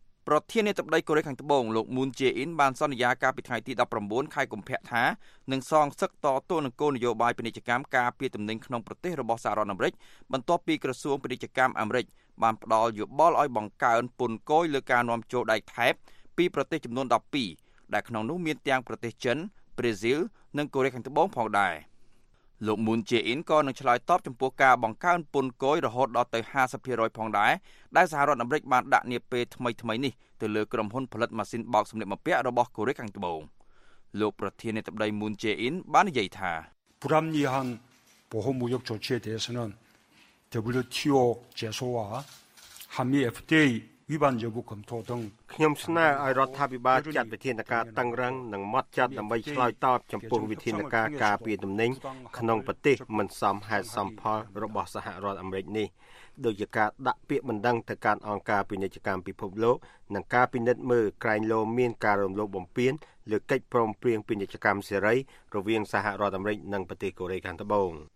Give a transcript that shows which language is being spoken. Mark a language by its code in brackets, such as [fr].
[km] ប្រធាននាយកដ្ឋានកូរ៉េខាងត្បូងលោក Moon Jae-in បានសន្យាកាលពីថ្ងៃទី19ខែកុម្ភៈថានឹងសងសឹកតទល់នឹងគោលនយោបាយពាណិជ្ជកម្មការពារទំនិញក្នុងប្រទេសរបស់សហរដ្ឋអាមេរិកបន្ទាប់ពីក្រសួងពាណិជ្ជកម្មអាមេរិកបានផ្ដល់យោបល់ឲ្យបង្កើនពន្ធគយលើការនាំចូលដែកថែបពីប្រទេសចំនួន12ដែលក្នុងនោះមានទាំងប្រទេសចិនប្រេស៊ីលនិងកូរ៉េខាងត្បូងផងដែរ លោក Moon Jae-in ក៏នឹងឆ្លើយតបចំពោះការបង្កើនពន្ធគយរហូតដល់ទៅ 50% ផងដែរដែលសហរដ្ឋអាមេរិកបានដាក់នាពេលថ្មីៗនេះទៅលើក្រុមហ៊ុនផលិតម៉ាស៊ីនបោកសម្លៀកបំពាក់របស់កូរ៉េខាងត្បូងលោកប្រធាននាយកដ្ឋាន Moon Jae-in បាននិយាយថា [ko] 불합리한 보험 무역 조치에 대해서는 WTO 제소와 한미 FTA 위반 여부 검토 등 [km] ខ្ញុំស្នើឲ្យរដ្ឋាភិបាលចាត់វិធានការតឹងរ៉ឹងនិងម៉ត់ចត់ដើម្បីឆ្លើយតបចំពោះវិធានការការពារទំនិញក្នុងប្រទេសមិនសមហេតុសមផលរបស់សហរដ្ឋអាមេរិកនេះដូចជាការដាក់ពាក្យបណ្ដឹងទៅកាន់អង្គការពាណិជ្ជកម្មពិភពលោកនិងការពិនិត្យមើលក្រែងលោមានការរំលោភបំពានលើកិច្ចព្រមព្រៀងពាណិជ្ជកម្មសេរីរវាងសហរដ្ឋអាមេរិកនិងប្រទេសកូរ៉េខាងត្បូង